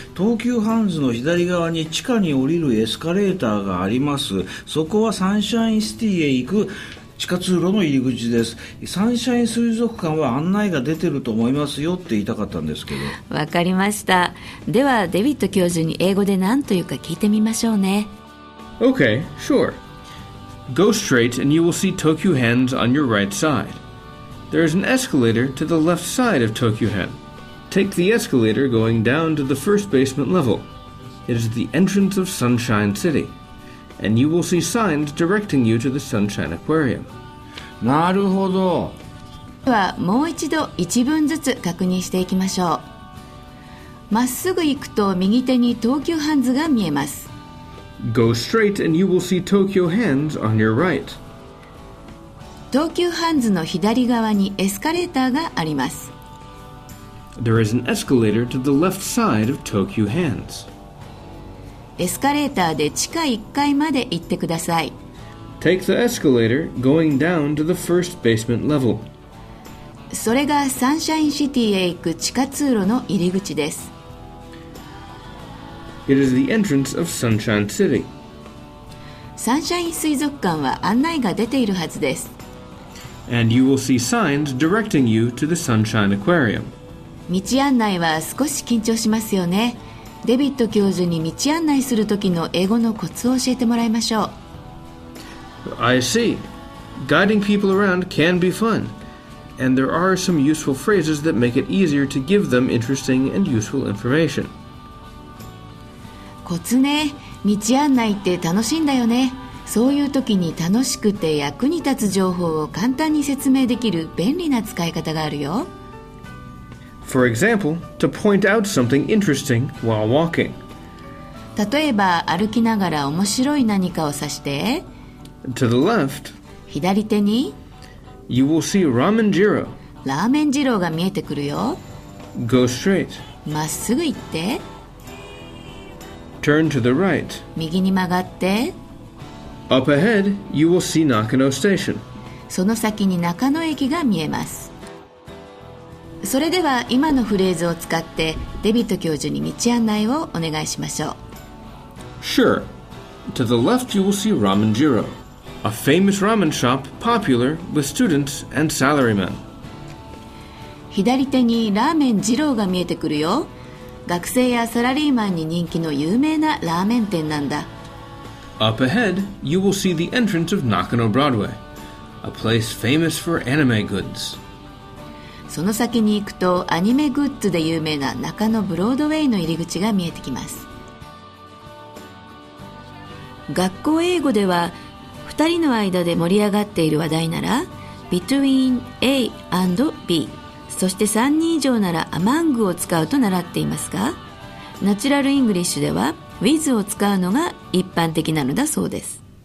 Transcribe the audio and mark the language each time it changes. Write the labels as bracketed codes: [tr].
[ja] 東急ハンズの左側に地下に降りるエスカレーターがあります。そこはサンシャインシティへ行く地下通路の入り口です。サンシャイン水族館は案内が出てると思いますよって言いたかったんですけど。わかりました。ではデビッド教授に英語で何というか聞いてみましょうね。 [en] OK, sure. Go straight and you will see Tokyu Hands on your right side. There is an escalator to the left side of Tokyuhen. Take the escalator going down to the first basement level. It is the entrance of Sunshine City. And you will see signs directing you to the Sunshine Aquarium. [ja] なるほど。ではもう一度一文ずつ確認していきましょう。まっすぐ行くと右手に東急ハンズが見えます。 [en] Go straight and you will see Tokyo Hands on your right. [ja] 東急ハンズの左側にエスカレーターがあります。 [en] There is an escalator to the left side of Tokyu Hands. [ja] エスカレーターで地下1階まで行ってください。 [en] Take the escalator going down to the first basement level. [ja] それがサンシャインシティへ行く地下通路の入り口です。 [en] It is the entrance of Sunshine City. [ja] サンシャイン水族館は案内が出ているはずです。 [en] And you will see signs directing you to the Sunshine Aquarium. [ja] 道案内は少し緊張しますよね。デビッド教授に道案内する時の英語のコツを教えてもらいましょう。 [en] I see. Guiding people around can be fun. And there are some useful phrases that make it easier to give them interesting and useful information. [ja] コツね。道案内って楽しいんだよね。そういう時に楽しくて役に立つ情報を簡単に説明できる便利な使い方があるよ。 [en] For example, to point out something interesting while walking. [ja] 例えば歩きながら面白い何かを指して。 [en] To the left. [ja] 左手に。 [en] You will see ramen jiro. [ja] ラーメン二郎が見えてくるよ。 [en] Go straight. [ja] まっすぐ行って。 [en] Turn to the right. [ja] 右に曲がって。 [en] Up ahead, you will see Nakano Station. [ja] その先に中野駅が見えます。それでは今のフレーズを使ってデビット教授に道案内をお願いしましょう。 [en] Sure. To the left you will see Ramen Jiro, a famous ramen shop popular with students and salarymen. [ja] 左手にラーメン二郎が見えてくるよ。学生やサラリーマンに人気の有名なラーメン店なんだ。 [en] Up ahead, you will see the entrance of Nakano Broadway, a place famous for anime goods. [ja] その先に行くとアニメグッズで有名な中野ブロードウェイの入り口が見えてきます。学校英語では2人の間で盛り上がっている話題なら Between A and B、 そして3人以上なら Among を使うと習っていますが、ナチュラルイングリッシュでは With を使うのが一般的なのだそうです。